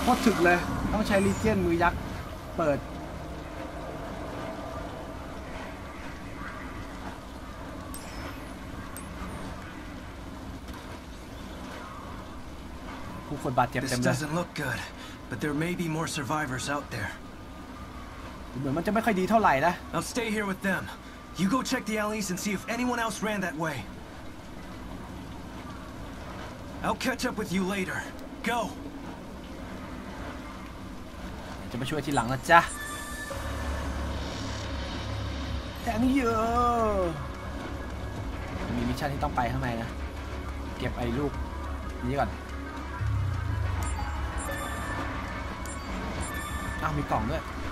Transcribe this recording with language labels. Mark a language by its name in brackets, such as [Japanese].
[Thai] ถึกเลยต้องใช้ลิเจียนมือยักษ์เปิดผู้คนบาดเจ็บเต็มเลย [English] This doesn't look good but there may be more survivors out there [Thai] เหมือนมันจะไม่ค่อยดีเท่าไหร่ นะ [English] I'll stay here with them you go check the alleys and see if anyone else ran that way I'll catch up with you later go [Thai] จะมาช่วยทีหลังนะจ๊ะแทงเยอะมีมิชชั่นที่ต้องไปข้างในนะเก็บไอ้ลูกนี้ก่อนอ้าวมีกล่องด้วย